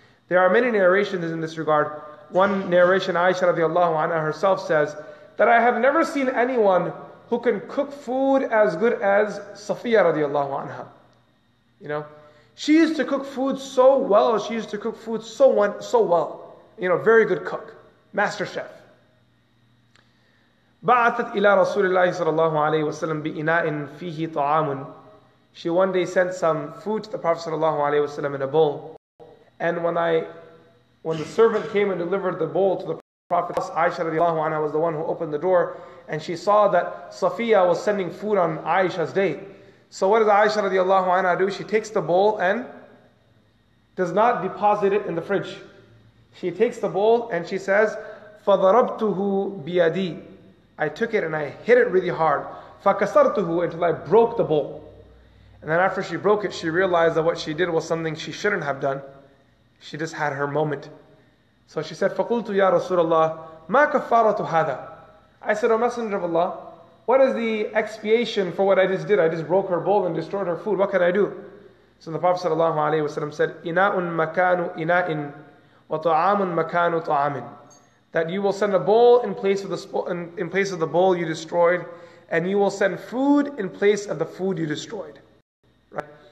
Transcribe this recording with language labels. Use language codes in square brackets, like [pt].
[en] There are many narrations in this regard. One narration, Aisha radiallahu anha herself says that I have never seen anyone who can cook food as good as Safiya radiallahu anha. You know, she used to cook food so well. She used to cook food so well. You know, very good cook, master chef. [ar] بعثت إلى رسول الله صلى الله عليه وسلم بإناء فيه طعام. [en] She one day sent some food to the Prophet صلى الله عليه وسلم in a bowl. And when the servant came and delivered the bowl to the Prophet, Aisha رضي الله عنها was the one who opened the door, and she saw that Safiya was sending food on Aisha's day. So what does Aisha رضي الله عنها do? She takes the bowl and does not deposit it in the fridge. She takes the bowl and she says, [ar] فَضَرَبْتُهُ بِيَدِي. [en] I took it and I hit it really hard. [ar] فَكَسَرْتُهُ. [en] Until I broke the bowl. And then after she broke it, she realized that what she did was something she shouldn't have done. She just had her moment. So she said, [ar] فَقُلْتُ يَا رَسُولَ اللَّهِ مَا كَفَّارَةُ هَذَا. [en] I said, O Messenger of Allah, what is the expiation for what I just did? I just broke her bowl and destroyed her food. What can I do? So the Prophet sallallahu alaihi wasallam said, [ar] إِنَاءٌ مَكَانُ إِنَاءٍ وَطَعَامٌ مَكَانُ طَعَامٍ. [en] That you will send a bowl in place of the bowl you destroyed, and you will send food in place of the food you destroyed. Right?